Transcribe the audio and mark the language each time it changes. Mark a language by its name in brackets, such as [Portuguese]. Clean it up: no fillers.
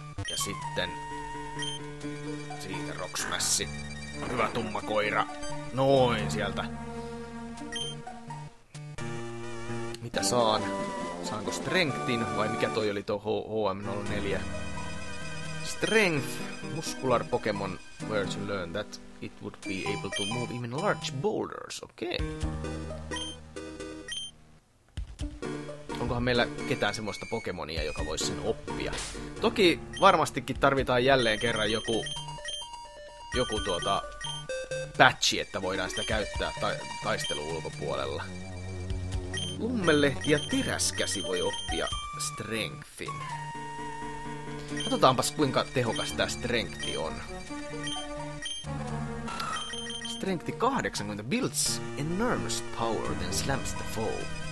[Finnish] Ja sitten siitä Rock Smash. Hyvä tumma koira. Noin sieltä. Mitä saan? Saanko strengthin vai mikä toi oli tuo HM04? [English] Strength. Muscular Pokemon. Where to learn that it would be able to move even large boulders. [Finnish] Okei. Okay. Onkohan meillä ketään semmoista Pokemonia, joka voisi sen oppia? Toki varmastikin tarvitaan jälleen kerran joku patchi, että voidaan sitä käyttää taistelun ulkopuolella. Lummelehti ja teräskäsi voi oppia strengthin. Katsotaanpas, kuinka tehokas tämä strengthi on. [English] Strengthi 80 builds enormous power, then slams the foe.